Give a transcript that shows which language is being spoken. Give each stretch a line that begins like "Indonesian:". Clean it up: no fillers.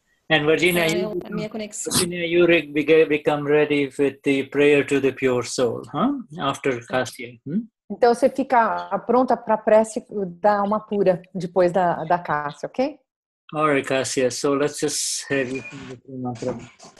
English: And Virginia, you become ready with the prayer to the pure soul, huh? After Cássia.
Portuguese: Então você fica pronta para a prece da alma pura depois da Cássia, ok?
English: All right, Cássia. So let's just have you in the prayer.